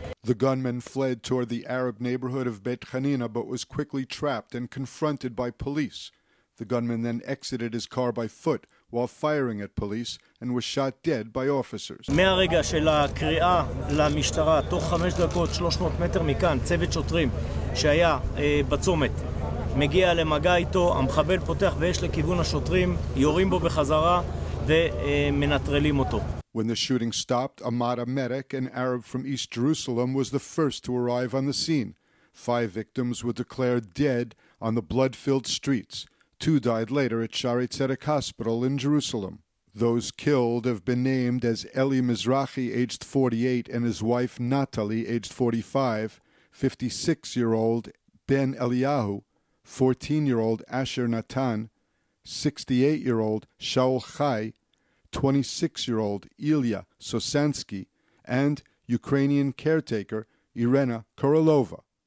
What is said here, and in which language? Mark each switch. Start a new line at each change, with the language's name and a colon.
English: The gunman fled toward the Arab neighborhood of Beit Hanina, but was quickly trapped and confronted by police. The gunman then exited his car by foot while firing at police and was shot dead by officers.
Hebrew: מהרגע של הקריאה למשטרה, תוך 5 דקות, 300 מטר מכאן, צוות שוטרים שהיה בצומת, מגיע למגע איתו, המחבל פותח ויש לכיוון השוטרים, יורים בו בחזרה ומנטרלים אותו.
English: When the shooting stopped, Ahmad Amedek, an Arab from East Jerusalem, was the first to arrive on the scene. 5 victims were declared dead on the blood-filled streets. 2 died later at Shaare Tzedek Hospital in Jerusalem. Those killed have been named as Eli Mizrahi, aged 48, and his wife Natali, aged 45, 56-year-old Ben Eliyahu, 14-year-old Asher Natan, 68-year-old Shaul Chai, 26-year-old Ilya Sosansky, and Ukrainian caretaker Irena Korolova.